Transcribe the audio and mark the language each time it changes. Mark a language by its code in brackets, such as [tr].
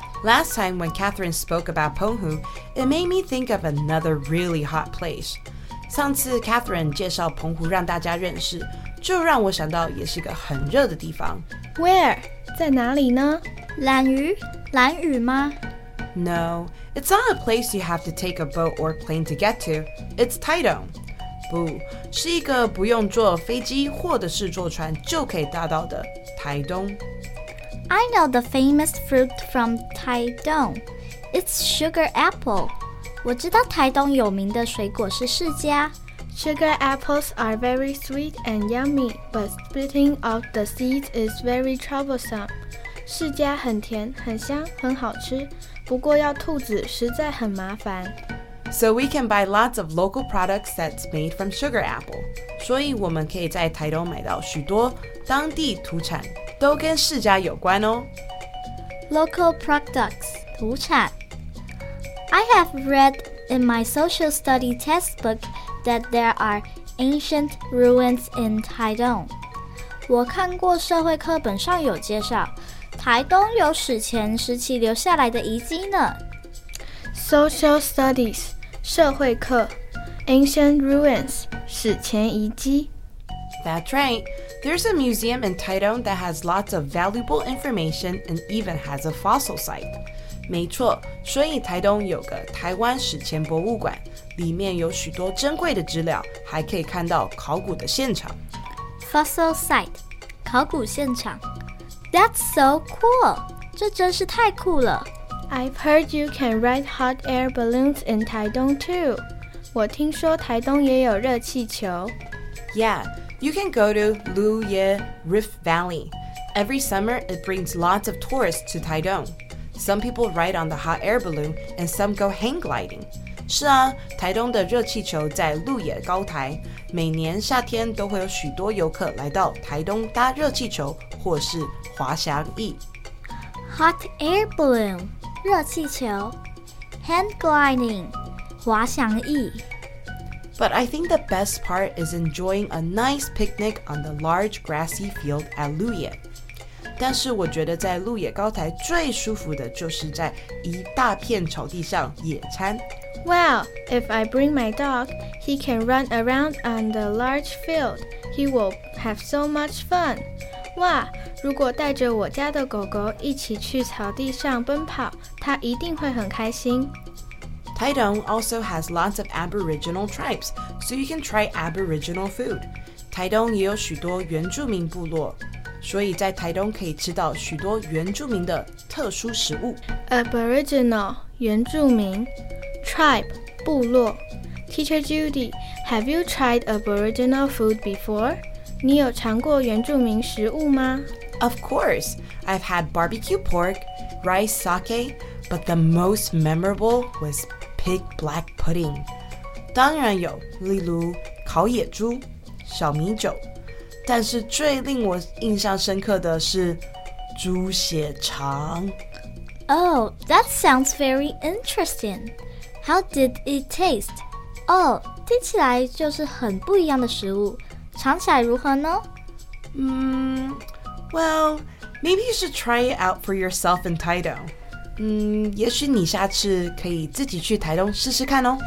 [en] Last time when Catherine spoke about Penghu, it made me think of another really hot place. [zh] 上次 Catherine 介绍澎湖让大家认识，就让我想到也是个很热的地方。 [en] Where? [zh] 在哪里呢？兰屿？兰屿吗？ [en] No, it's not a place you have to take a boat or plane to get to. It's Taitung. [zh] 不，是一个不用坐飞机或者是坐船就可以到达的台东。 [en] I know the famous fruit from Taitung. It's sugar apple. [zh] 我知道台东有名的水果是释迦。 [en] Sugar apples are very sweet and yummy, but splitting off the seeds is very troublesome. [zh] 释迦很甜，很香，很好吃。不过要吐籽实在很麻烦。 [en] So we can buy lots of local products that's made from sugar apple. [zh] 所以我们可以在台东买到许多当地土产，都跟释迦有关哦。 [en] Local products, 土产。 I have read in my social study textbook that there are ancient ruins in Taitung. [zh] 我看过社会课本上有介绍。台东有史前时期留下来的遗迹呢。 [en] Social studies, 社会课。Ancient ruins, 史前遗迹。 That's right. There's a museum in Taitung that has lots of valuable information and even has a fossil site. [zh] 没错，所以台东有个台湾史前博物馆，里面有许多珍贵的资料，还可以看到考古的现场。 [en] Fossil site, 考古现场。That's so cool! [zh] 这真是太酷了! [en] I've heard you can ride hot air balloons in Taitung too. [zh] 我听说台东也有热气球。 [en] Yeah, you can go to Lu Ye Rift Valley. Every summer, it brings lots of tourists to Taitung. Some people ride on the hot air balloon, and some go hang gliding. [zh] 是啊，台东的热气球在鹿野高台，每年夏天都会有许多游客来到台东搭热气球或是滑翔翼。 [en] Hot air balloon, 热气球 ,hand gliding, 滑翔翼。 But I think the best part is enjoying a nice picnic on the large grassy field at 鹿野。 [zh] 但是我觉得在鹿野高台最舒服的就是在一大片草地上野餐。 [en] Well, if I bring my dog, he can run around on the large field. He will have so much fun. [zh] 哇，如果带着我家的狗狗一起去草地上奔跑，它一定会很开心。 [en] Taitung also has lots of Aboriginal tribes, so you can try Aboriginal food. [zh] Taitung 也有许多原住民部落，所以在Taitung可以吃到许多原住民的特殊食物。 [en] Aboriginal, 原住民。Tribe, 部落。 Teacher Judy, have you tried Aboriginal food before? [zh] 你有尝过原住民食物吗？ [en] Of course, I've had barbecue pork, rice sake, but the most memorable was pig black pudding. [zh] 当然有，例如烤野猪、小米酒，但是最令我印象深刻的是猪血肠。 [en] Oh, that sounds very interesting. How did it taste? [zh] 哦，听起来就是很不一样的食物，尝起来如何呢？ [en] Well, maybe you should try it out for yourself in Taitung. [zh] 也许你下次可以自己去台东试试看哦。